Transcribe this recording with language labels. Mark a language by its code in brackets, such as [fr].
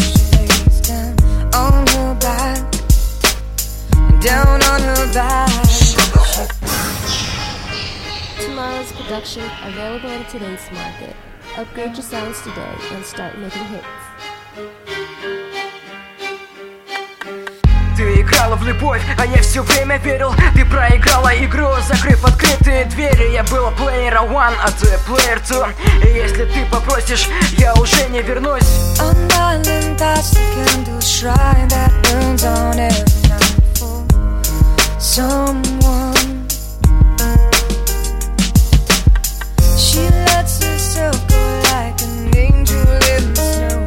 [en] She lays down on her back, down on her back. Tomorrow's production available in today's market. Upgrade your sounds today and start making hits. [ru] Ты играла в любовь, а я все время верил. Ты проиграла игру, закрыв открытые двери. Я был [en] player one, [ru] а ты [en] player two. [ru] И если ты попросишь, я уже не вернусь. [en] An island that's the candle shrine that burns on every night for someone. She lets herself go like an angel in the snow.